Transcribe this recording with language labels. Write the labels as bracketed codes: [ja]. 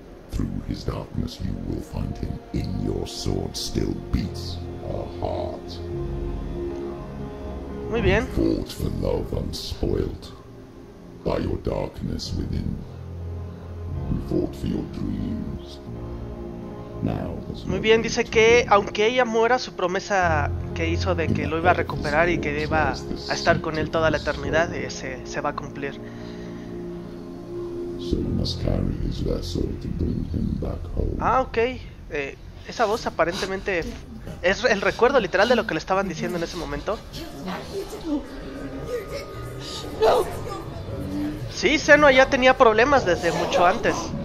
[en] Through his darkness, you will find him. In your sword still beats a heart. [es] Muy bien. [en] You fought for love unspoiled by your darkness within. You fought for your dreams. Now, [es] muy bien, dice que aunque ella muera, su promesa que hizo de que lo iba a recuperar y que iba a estar con él toda la eternidad, se va a cumplir. [en] So you must carry his vessel to bring him back home. [es] Ah, ok. Esa voz aparentemente es el recuerdo literal de lo que le estaban diciendo en ese momento. Sí, Senua ya tenía problemas desde mucho antes.